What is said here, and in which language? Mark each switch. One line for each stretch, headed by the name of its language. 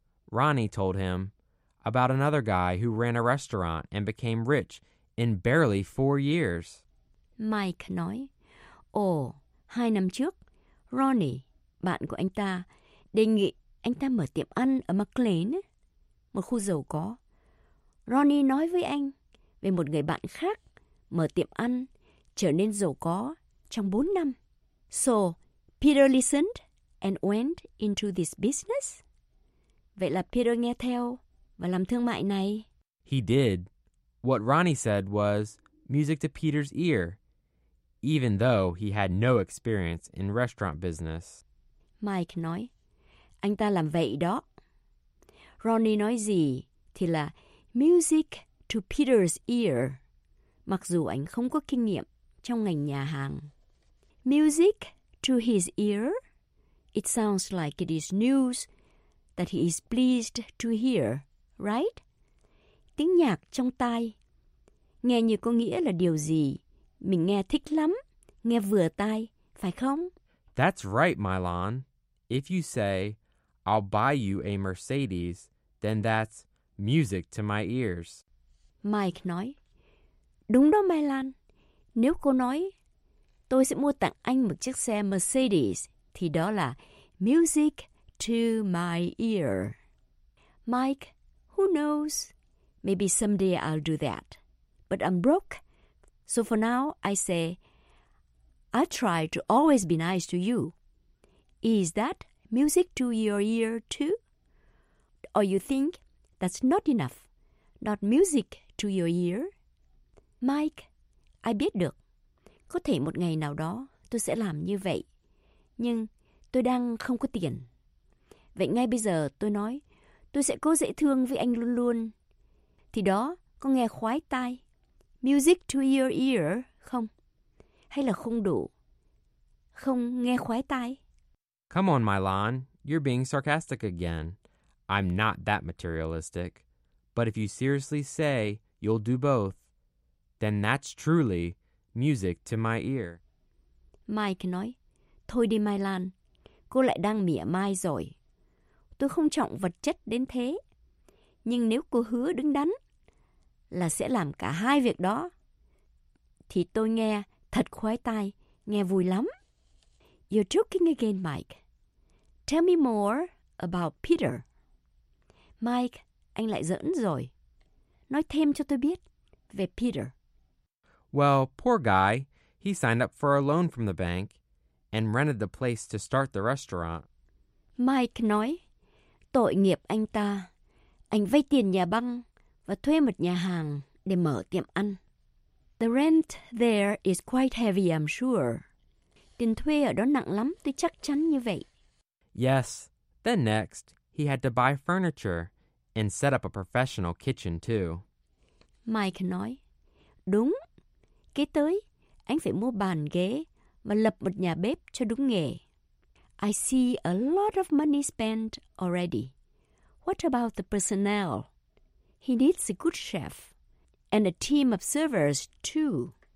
English: Ronnie told him about another guy who ran a restaurant and became rich in barely 4 years.
Vietnamese: Mike nói, ồ, 2 năm trước, Ronnie, bạn của anh ta, đề nghị anh ta mở tiệm ăn ở McLean, một khu giàu có. Ronnie nói với anh về một người bạn khác mở tiệm ăn, trở nên giàu có trong 4 năm.
English: So, Peter listened and went into this business?
Vietnamese: Vậy là Peter nghe theo và làm thương mại này.
English: He did. What Ronnie said was music to Peter's ear, even though he had no experience in restaurant business.
Vietnamese: Mike nói, anh ta làm vậy đó. Ronnie nói gì thì là
English: music to Peter's ear,
Vietnamese: mặc dù anh không có kinh nghiệm trong ngành nhà hàng.
English: Music to his ear? It sounds like it is news that he is pleased to hear, right?
Vietnamese: Tiếng nhạc trong tai. Nghe như có nghĩa là điều gì mình nghe thích lắm, nghe vừa tai, phải không?
English: That's right, Milan. If you say, I'll buy you a Mercedes, then that's music to my ears.
Vietnamese: Mike nói, đúng đó, Milan. Nếu cô nói, tôi sẽ mua tặng anh một chiếc xe Mercedes, thì đó là
English: music to my ear. Mike, who knows? Maybe someday I'll do that. But I'm broke, so for now I say, I try to always be nice to you. Is that music to your ear too? Or you think that's not enough, not music to your ear?
Vietnamese: Mike, I biết được. Có thể một ngày nào đó tôi sẽ làm như vậy. Nhưng tôi đang không có tiền. Vậy ngay bây giờ tôi nói, tôi sẽ cố dễ thương với anh luôn luôn. Thì đó có nghe khoái tai.
English: Music to your ear,
Vietnamese: không? Hay là không đủ? không nghe khoái tai.
English: Come on, Mylan. You're being sarcastic again. I'm not that materialistic. But if you seriously say you'll do both, then that's truly music to my ear.
Vietnamese: Mike nói, thôi đi Mylan, cô lại đang mỉa mai rồi. Tôi không trọng vật chất đến thế. Nhưng nếu cô hứa đứng đắn là sẽ làm cả hai việc đó, thì tôi nghe thật khoái tai, nghe vui lắm.
English: You're joking again, Mike. Tell me more about Peter.
Vietnamese: Mike, anh lại giỡn rồi. Nói thêm cho tôi biết về Peter.
English: Well, poor guy. He signed up for a loan from the bank and rented the place to start the restaurant.
Vietnamese: Mike nói, tội nghiệp anh ta. Anh vay tiền nhà băng và thuê một nhà hàng để mở tiệm ăn.
English: The rent there is quite heavy, I'm sure.
Vietnamese: Tiền thuê ở đó nặng lắm, tôi chắc chắn như vậy.
English: Yes. Then next, he had to buy furniture and set up a professional kitchen, too.
Vietnamese: Mike nói, đúng. Kế tới, anh phải mua bàn ghế và lập một nhà bếp cho đúng nghề.
English: I see a lot of money spent already. What about the personnel? He needs a good chef and a team of servers, too.